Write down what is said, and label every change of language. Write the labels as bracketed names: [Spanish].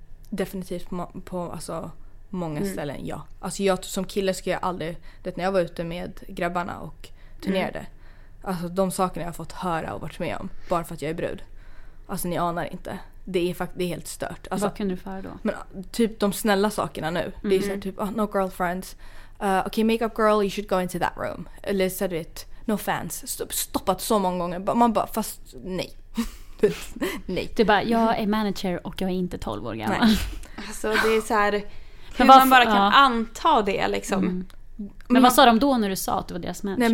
[Swedish] Definitivt på alltså, många ställen, ja. Alltså jag som kille skulle jag aldrig, det när jag var ute med grabbarna och turnerade. Mm. Alltså de sakerna jag har fått höra och varit med om, bara för att jag är brud. Alltså ni anar inte. Det är helt stört. Alltså, vad kunde du föra då? Men, typ de snälla sakerna nu. Mm. Det är så här, typ, [English] no girlfriends. Okay, makeup girl, you should go into that room. [Swedish] Eller så du vet, [English] no fans, [Swedish] stoppat så många gånger. Man bara, fast nej. Nej. Du bara, jag är manager och jag är inte 12 år gammal. Alltså det är så här, hur man bara kan anta det liksom. Mm. Men vad sa de då när du sa att du var deras manager?